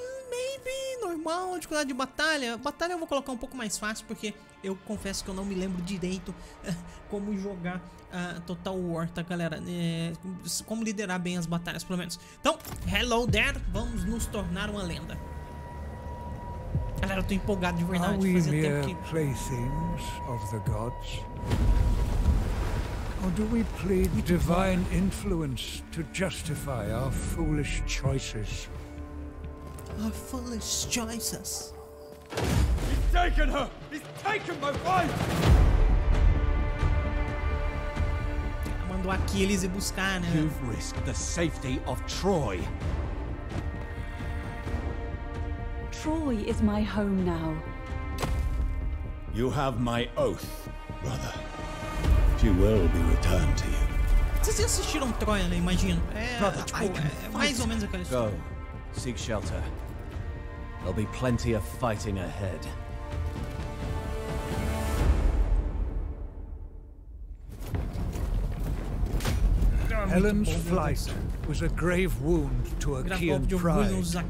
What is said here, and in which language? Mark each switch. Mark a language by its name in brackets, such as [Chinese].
[English] maybe normal, [Portuguese] dificuldade de batalha. Batalha eu vou colocar um pouco mais fácil, porque eu confesso que eu não me lembro direito como jogar Total War, tá, galera? Como liderar bem as batalhas, pelo menos. Então, [English] hello there, [Portuguese] vamos nos tornar uma lenda. Galera, eu tô empolgado de verdade. Fazia tempo que... [English] Are we mere playthings of the gods? Or do we plead divine influence to justify our foolish choices? Our foolish choices. He's taken her! He's taken my wife! [Portuguese] Mandou Aquiles ir buscar, né? [English] You've risked the safety of Troy. Troy is my home now. You have my oath, brother. She will be returned to you. [Portuguese] Vocês já assistiram Troia, né? Imagino. Brother, tipo, mais ou menos aquela história. [English] Go. Seek shelter. There'll be plenty of fighting ahead. Helen's flight was a grave wound to Achaean pride.